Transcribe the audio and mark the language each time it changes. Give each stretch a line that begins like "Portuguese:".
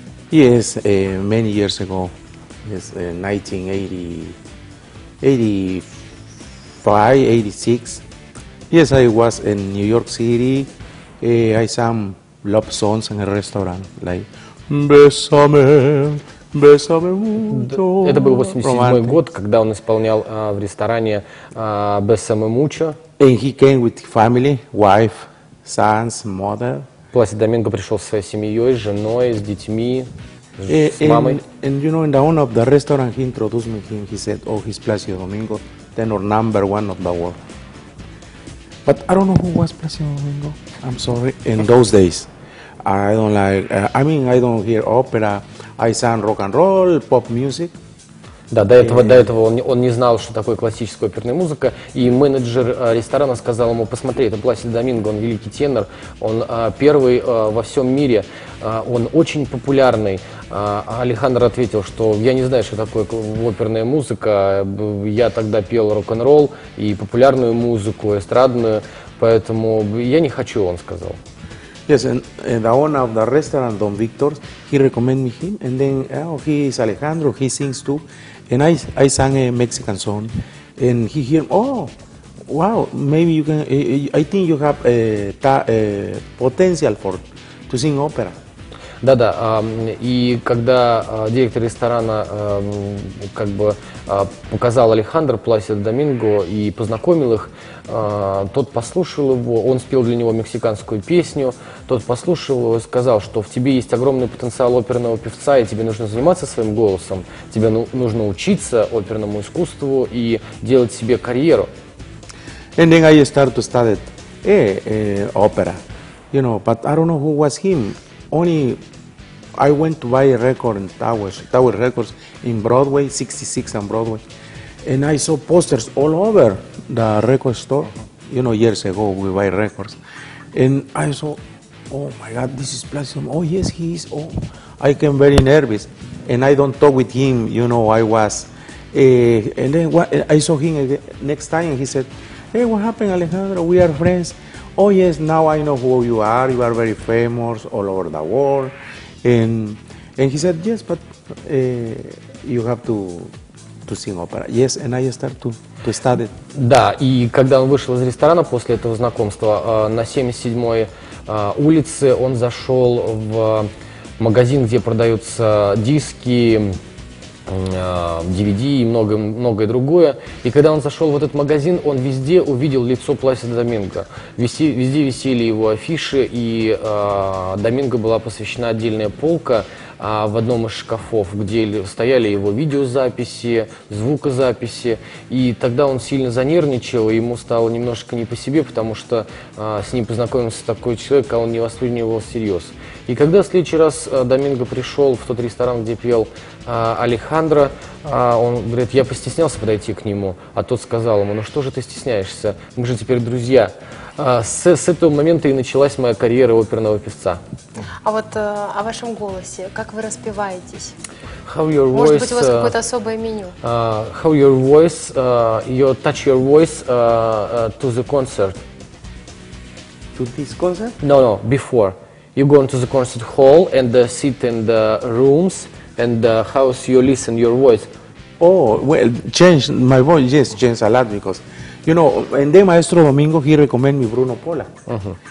English: Yes, many years ago, yes, 1985, 86. Yes, I was in New York City. I sang love songs in a restaurant, like Besame.
Russian: Это был 87-й год, когда он исполнял в ресторане «Бесаме мучо».
English: And he came with family, wife, sons, mother.
Russian: Пласидо Доминго пришел со своей семьей, с женой, с детьми, с мамой.
English: And you know, in the owner of the restaurant, he introduced me to him, he said, oh, he's Placido Domingo, tenor number one of the world. But I don't know who was Placido Domingo, I'm sorry, in those days. I don't like, I don't hear opera. I sang rock and roll, pop music.
Russian: Да, до этого он не знал, что такое классическая оперная музыка, и менеджер ресторана сказал ему: посмотри, это Пласидо Доминго, он великий тенор, он первый во всем мире, он очень популярный. Алехандро ответил, что я не знаю, что такое оперная музыка, я тогда пел рок-н-ролл и популярную музыку, эстрадную, поэтому я не хочу, он сказал.
English: Yes, and the owner of the restaurant, Don Victor, he recommended me him, and then he is Alejandro, he sings too, and I sang a Mexican song, and he hear, oh, wow, maybe you can, I think you have a potential for to sing opera.
Russian: Да-да, и когда директор ресторана как бы показал Алехандро Пласидо Доминго и познакомил их, тот послушал его, он спел для него мексиканскую песню, тот послушал его и сказал, что в тебе есть огромный потенциал оперного певца, и тебе нужно заниматься своим голосом, тебе нужно учиться оперному искусству и делать себе карьеру.
English: And then I started to study opera, you know, but I don't know who was him. Only I went to buy a record in Tower Records in Broadway, 66 on Broadway, and I saw posters all over the record store, you know, years ago we buy records, and I saw, oh my God, this is Placido, oh yes, he is, oh, I came very nervous, and I don't talk with him, you know, I was, and then I saw him again next time, and he said, hey, what happened, Alejandro? We are friends. Oh, yes, now I know who you are very famous all over the world. And he said, yes, but you have to sing opera. Yes, and I start to study.
Russian: Да, и когда он вышел из ресторана после этого знакомства, на 77-й улице он зашел в магазин, где продаются диски, DVD и многое другое. И когда он зашел в этот магазин, он везде увидел лицо Пласида Доминго. Везде висели его афиши, и Доминго была посвящена отдельная полка в одном из шкафов, где стояли его видеозаписи, звукозаписи. И тогда он сильно занервничал, и ему стало немножко не по себе, потому что с ним познакомился такой человек, а он не воспринимал всерьез. И когда в следующий раз Доминго пришел в тот ресторан, где пел Алехандро, он говорит, я постеснялся подойти к нему, а тот сказал ему, ну что же ты стесняешься, мы же теперь друзья. С этого момента и началась моя карьера оперного певца. А вот о вашем голосе, как вы распеваетесь?
English: How your voice,
Russian: может быть, у вас какое-то особое меню?
English: How your voice, your touch your voice to the concert. To this concert? No, before. You go into the concert hall and sit in the rooms and how you listen your voice. Oh, well, change my voice, yes, change a lot because, you know, and then Maestro Domingo, he recommend me Bruno Pola. Uh-huh.